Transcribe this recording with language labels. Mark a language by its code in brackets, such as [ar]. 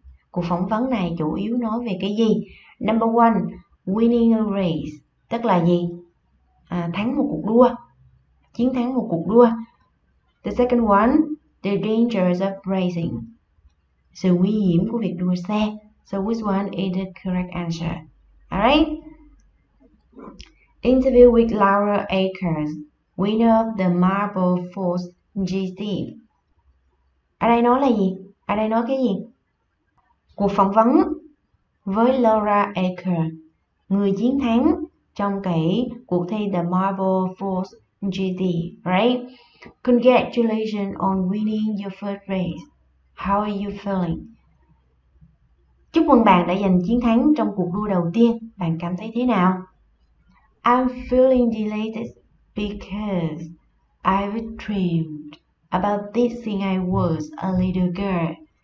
[vi] Cuộc phỏng vấn này chủ yếu nói về cái gì? [en] Number one, winning a race, [vi] tức là gì? Thắng một cuộc đua, chiến thắng một cuộc đua. [en] The second one, the dangers of racing, [vi] sự nguy hiểm của việc đua xe. [en] So which one is the correct answer? Alright. Interview with Laura Akers, winner of the Marble Force GT. [vi] Ở đây nói là gì? Ở đây nói cái gì? Cuộc phỏng vấn với Laura Akers, người chiến thắng trong cái cuộc thi The Marble Force GT, right? [en] Congratulations on winning your first race. How are you feeling? [vi] Chúc mừng bạn đã giành chiến thắng trong cuộc đua đầu tiên. Bạn cảm thấy thế nào? [en] I'm feeling delighted because I've dreamed about this since I was a little girl.